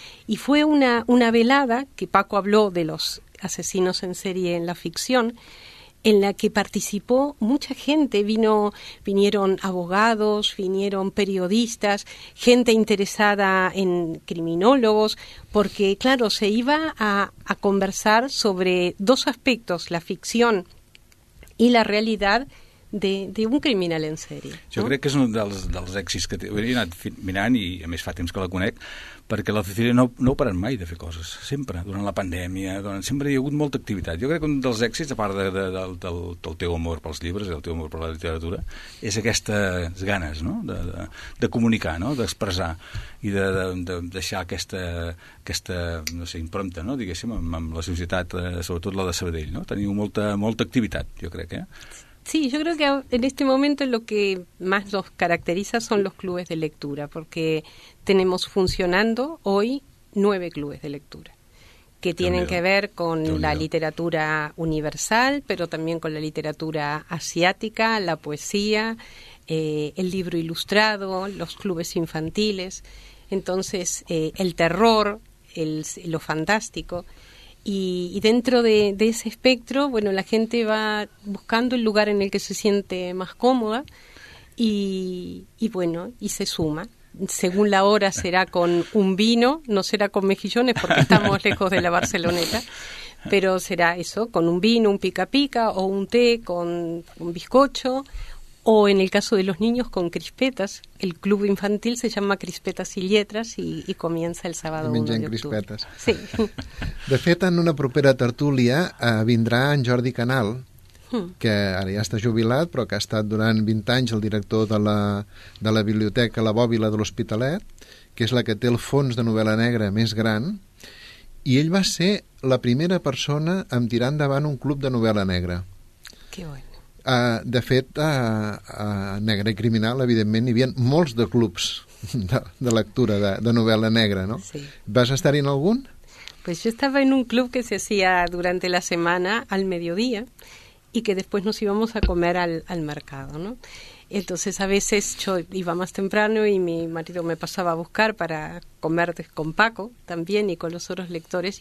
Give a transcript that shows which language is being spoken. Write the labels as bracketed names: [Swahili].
[Spanish] Y fue una velada, que Paco habló de los asesinos en serie en la ficción, en la que participó mucha gente, vinieron abogados, vinieron periodistas, gente interesada en criminólogos, porque claro, se iba a conversar sobre dos aspectos, la ficción y la realidad de un criminal en serie. [Catalan] Jo crec que és un dels èxits que he anat mirant, i a més fa temps que la conec, perquè la Cecília no ha parat mai de fer coses, sempre, durant la pandèmia, sempre hi ha hagut molta activitat. Jo crec que un dels èxits, a part del teu amor pels llibres i del teu amor per la literatura, és aquestes ganes, no?, de comunicar, no?, d'expressar i de deixar aquesta no sé, impronta, no?, diguéssim, amb la societat, sobretot la de Sabadell, no? Teniu molta activitat, jo crec, eh? [Spanish] Sí, yo creo que en este momento lo que más nos caracteriza son los clubes de lectura, porque tenemos funcionando hoy 9 clubes de lectura, que tienen que ver con la literatura universal, pero también con la literatura asiática, la poesía, el libro ilustrado, los clubes infantiles, entonces el terror, lo fantástico. Y dentro de ese espectro, bueno, la gente va buscando el lugar en el que se siente más cómoda y bueno, y se suma. Según la hora será con un vino, no será con mejillones porque estamos lejos de la Barceloneta, pero será eso, con un vino, un pica-pica o un té con un bizcocho o en el caso de los niños con crispetas. El club infantil se llama Crispetas y Lletres [Catalan] i comença el sábado 1 d'octubre. Crispetes. Sí. De fet, en una propera tertúlia vindrà en Jordi Canal, que ara ja està jubilat, però que ha estat durant 20 anys el director de la Biblioteca La Bòbila de l'Hospitalet, que és la que té el fons de novel·la negra més gran, i ell va ser la primera persona a tirar endavant un club de novel·la negra. Que bo. De fet, a Negre i Criminal, evidentment, hi havia molts de clubs de lectura de novel·la negra, no? Sí. Vas estar-hi en algun? [Spanish] Pues yo estaba en un club que se hacía durante la semana al mediodía y que después nos íbamos a comer al mercado, ¿no? Entonces, a veces yo iba más temprano y mi marido me pasaba a buscar para comer con Paco también y con los otros lectores.